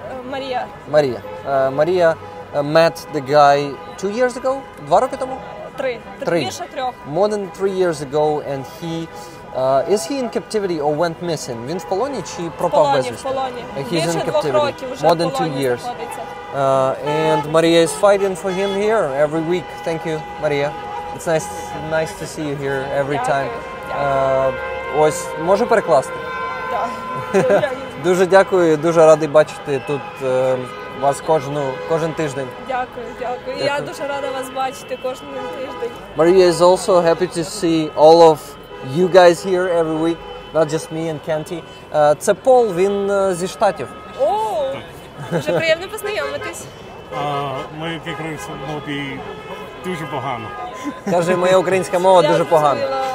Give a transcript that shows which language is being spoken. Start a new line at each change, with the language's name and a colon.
Ukrainian: Марія.
English: Марія. Марія met the guy 2 years ago?
Ukrainian: 2 роки тому?
English: Three. More than 3 years ago, and he... is he in captivity or went missing?
Ukrainian: Він в полоні чи пропав без вісті? В полоні.
English: He's in captivity. More than 2 years. And Maria is fighting for him here every week. Thank you, Maria. It's nice to see you here every time.
Ukrainian: Ось, можу перекласти? Так. Дуже дякую, дуже радий бачити тут вас кожен тиждень. Дякую. Я дуже рада вас бачити кожен тиждень.
English: Maria is also happy to see all of you guys here every week, not just me and Kenty.
Ukrainian: Це Пол, він зі Штатів. О, дуже приємно познайомитись. Ми як українська мова дуже погано. Каже, моя українська мова дуже погана.